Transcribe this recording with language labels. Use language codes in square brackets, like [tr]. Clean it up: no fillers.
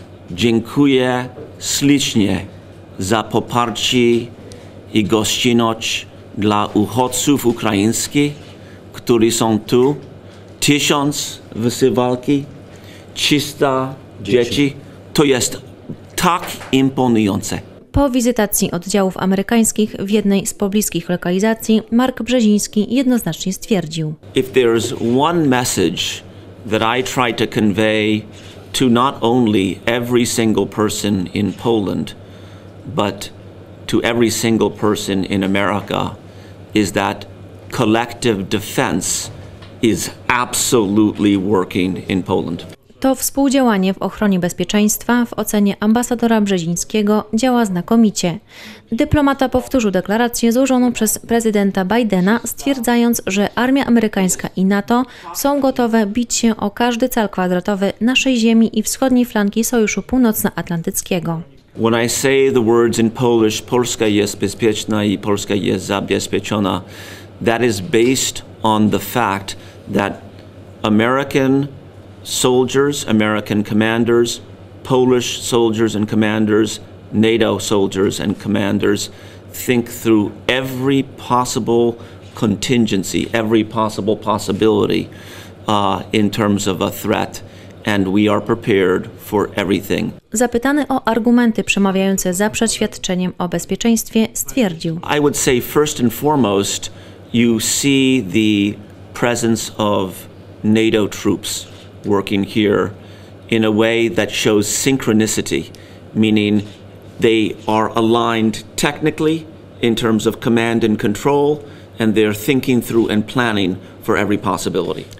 [pl] Dziękuję ślicznie za poparcie i gościnność dla uchodźców ukraińskich, którzy są tu. 1000 w Suwałki, 300 dzieci. To jest tak imponujące. Po wizytacji oddziałów amerykańskich w jednej z pobliskich lokalizacji Mark Brzeziński jednoznacznie stwierdził: [en] If there's one message that I try to convey to not only every single person in Poland, but to every single person in America, is that collective defense is absolutely working in Poland. [pl] To współdziałanie w ochronie bezpieczeństwa w ocenie ambasadora Brzezińskiego działa znakomicie. Dyplomata powtórzył deklarację złożoną przez prezydenta Bidena, stwierdzając, że armia amerykańska i NATO są gotowe bić się o każdy cal kwadratowy naszej ziemi i wschodniej flanki Sojuszu Północnoatlantyckiego. [en] When I say the words in Polish, [pl] Polska jest bezpieczna i Polska jest zabezpieczona, [en] that is based on the fact that American soldiers, American commanders, Polish soldiers and commanders, NATO soldiers and commanders think through every possible contingency, every possible possibility in terms of a threat, and we are prepared for everything. [pl] Zapytany o argumenty przemawiające za przeświadczeniem o bezpieczeństwie, stwierdził: [en] I would say first and foremost, you see the presence of NATO troops working here in a way that shows synchronicity, meaning they are aligned technically in terms of command and control, and they're thinking through and planning for every possibility.